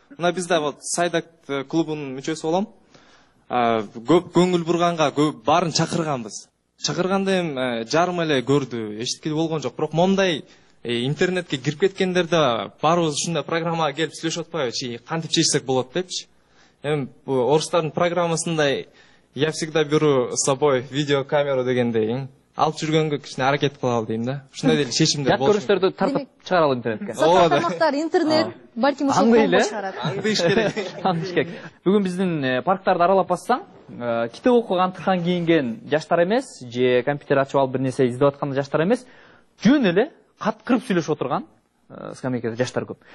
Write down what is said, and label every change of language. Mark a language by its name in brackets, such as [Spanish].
[Kyrgyz] Мына биз да вот Сайдак клубунун мүчөсү болом. Көп көңүл бурганга көп баарын чакырганбыз. Чакырганда эми жарым эле көрдү, эшиткил болгон жок. Бирок момундай интернетке кирип кеткендерде баарыбыз ушундай программага келип сүйлөшүп атпайбычы, кантип чечсек болот депчи. Эми орустардын программасындай [Russian] я всегда беру с собой видеокамеру [Kyrgyz] дегендей. Алып жүргөнгө кичине аракет кылалы дейм да. Ушундай деле чечимдер болчу. Жак көрүнүштөрдү тартып чыгаралы интернетке. Ооба. Тармактар интернет, балким ошол болуп чыгарат. Андыш керек. Андыш керек. Бүгүн биздин парктарды аралап бассаң, китеп окуган, тыкан кийинген жаштар эмес, же компьютер ачып алып бир нерсе издеп аткан жаштар эмес, жөн эле каткырып сүйлөшүп отурган скамейкада жаштар көп.